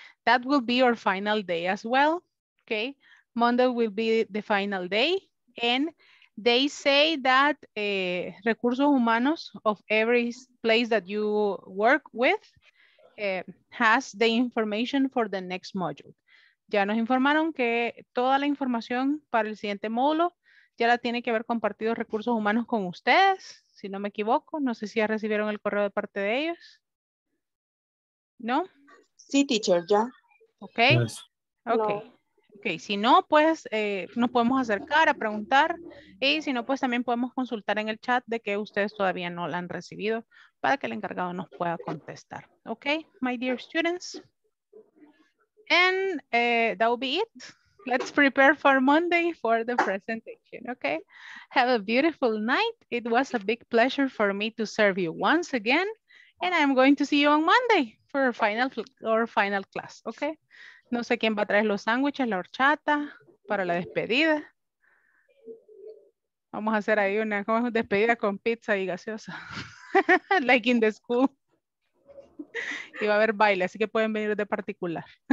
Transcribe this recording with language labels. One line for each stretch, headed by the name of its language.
English: That will be your final day as well, okay? Monday will be the final day. And they say that recursos humanos of every place that you work with has the information for the next module.
Spanish: Ya nos informaron que toda la información para el siguiente módulo ya la tiene que haber compartido recursos humanos con ustedes, si no me equivoco. No sé si ya recibieron el correo de parte de ellos. ¿No? Sí, teacher, ya.
English: Ok. Yes. Ok. No.
Spanish: Ok, si no, pues nos podemos acercar a preguntar. Y si no, pues también podemos consultar en el chat de que ustedes todavía no la han recibido para que el encargado nos pueda contestar.
English: Ok, my dear students. And that will be it. Let's prepare for Monday for the presentation, okay? Have a beautiful night. It was a big pleasure for me to serve you once again. And I'm going to see you on Monday for our final class, okay?
Spanish: No sé quién va a traer los sándwiches, la horchata, para la despedida. Vamos a hacer ahí una despedida con pizza y gaseosa.
English: Like in the school.
Spanish: Y va a haber baile, así que pueden venir de particular.